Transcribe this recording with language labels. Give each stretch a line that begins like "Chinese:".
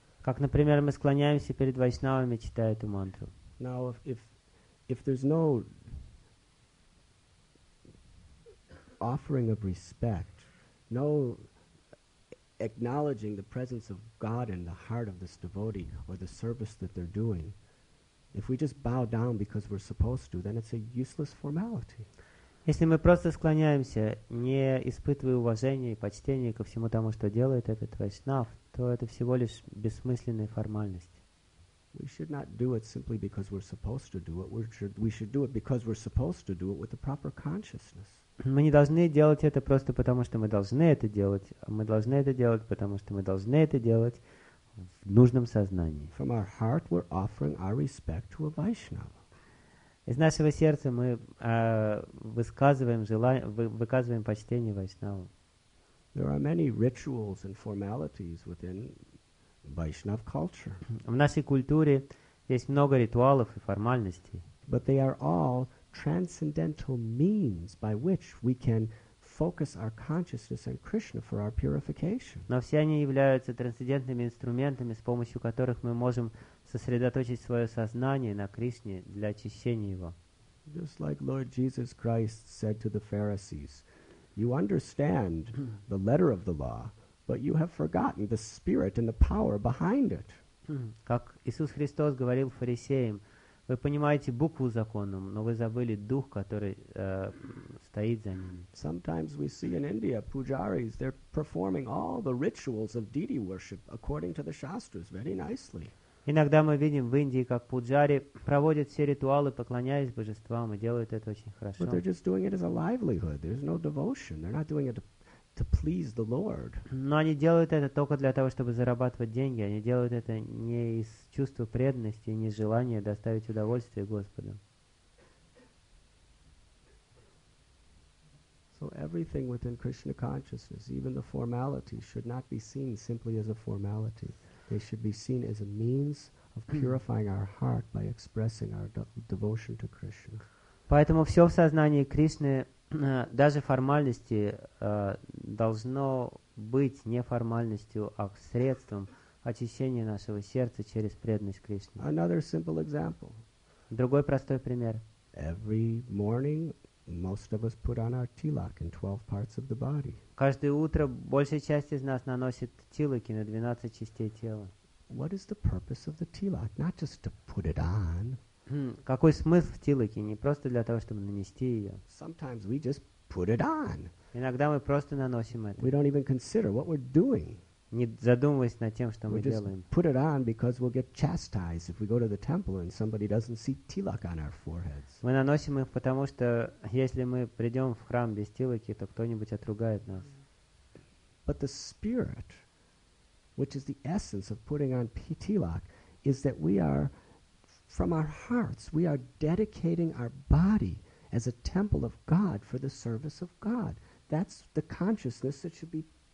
Russian: Как, например, мы склоняемся перед Вайшнавами, читая эту мантру.
English: Now, if there's no offering of respect, no acknowledging the presence of God in the heart of this devotee or the service that they're doing, if we just bow down because we're supposed to, then it's a useless formality.
Russian: Если мы просто склоняемся, не испытывая уважения и почтения ко всему тому, что делает этот вайшнав, то это всего лишь бессмысленная формальность.
English: We should not do it simply because we're supposed to do it. We should do it because we're supposed to do it with the proper consciousness.
Russian: Мы не должны делать это просто потому, что мы должны это делать. Мы должны это делать, потому что мы должны это делать в нужном сознании.
English: From our heart we're offering our respect to a Vaishnava.
Russian: Из нашего сердца мы выказываем почтение Вайшнаву.
English: There are many rituals and formalities within Vaishnava culture.
Russian: В нашей культуре есть много ритуалов и формальностей.
English: But they are all transcendental means by which we can focus our consciousness on Krishna for our purification.
Russian: Но все они являются трансцендентными инструментами, с помощью которых мы можем сосредоточить свое сознание на Кришне для очищения его.
English: Just like Lord Jesus Christ said to the Pharisees, you understand the letter of the law, but you have forgotten the spirit and the power behind it.
Russian: Как Иисус Христос говорил фарисеям, вы понимаете букву закона, но вы забыли дух, который стоит за ним.
English: Sometimes we see in India pujaris, they're performing all the rituals of deity worship according to the shastras very nicely.
Russian: Иногда мы видим в Индии, как пуджари проводят все ритуалы, поклоняясь божествам, и делают это очень хорошо.
English: But they're just doing it as a livelihood. There's no devotion. They're not doing it to please the Lord.
Russian: Но они делают это только для того, чтобы зарабатывать деньги. Они делают это не из чувства преданности и не из желания доставить удовольствие Господу.
English: So everything within Krishna consciousness, even the formalities, should not be seen simply as a formality. They should be seen as a means of purifying our heart by expressing our devotion to Krishna.
Russian: Поэтому все в сознании Кришны, даже формальности, должно быть не формальностью, а средством очищения нашего сердца через преданность Кришне.
English: Another simple example.
Russian: Другой простой пример.
English: Every morning most of us put on our tilak in 12 parts of the body.
Russian: Каждое утро большая часть из нас наносит тилаки на 12 частей тела.
English: What is the purpose of the tilak? Not just to put it on.
Russian: Какой смысл в тилаке? Не просто для того, чтобы нанести ее.
English: Sometimes we just put it on.
Russian: Иногда мы просто наносим это.
English: We don't even consider what we're doing.
Russian: Не задумываясь над тем, что
English: we
Russian: мы
English: just
Russian: делаем.
English: Put it on because we'll get chastised if we go to the temple and somebody doesn't see tilak on our foreheads.
Russian: Мы наносим их, потому что если мы придем в храм без тилаки, то кто-нибудь отругает нас.
English: But the spirit, which is the essence of putting on tilak, is that we are from our hearts, we are dedicating our body as a temple of God for the service of God. That's the consciousness that should be